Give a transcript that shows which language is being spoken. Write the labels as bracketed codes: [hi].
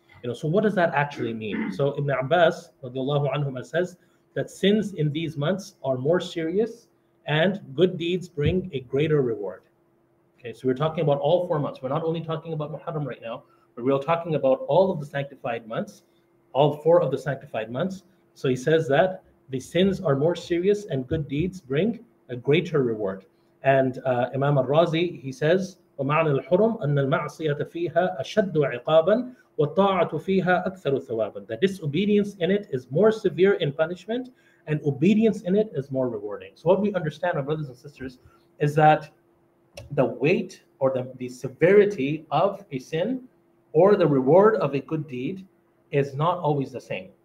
[en] You know, so what does that actually mean? So Ibn Abbas radiallahu anhuma says that sins in these months are more serious and good deeds bring a greater reward. Okay, so we're talking about all 4 months. We're not only talking about Muharram right now, but we're talking about all of the sanctified months, all 4 of the sanctified months. So he says that the sins are more serious and good deeds bring a greater reward. And Imam al-Razi, he says, [ar] وَمَعْنَى الْحُرُمْ أَنَّ الْمَعْصِيَةَ فِيهَا أَشَدُّ عِقَابًا وَالطَّاعَةُ فِيهَا أَكْثَرُ ثَوَابًا. [en] The disobedience in it is more severe in punishment, and obedience in it is more rewarding. So what we understand, our brothers and sisters, is that the weight or the severity of a sin or the reward of a good deed is not always the same.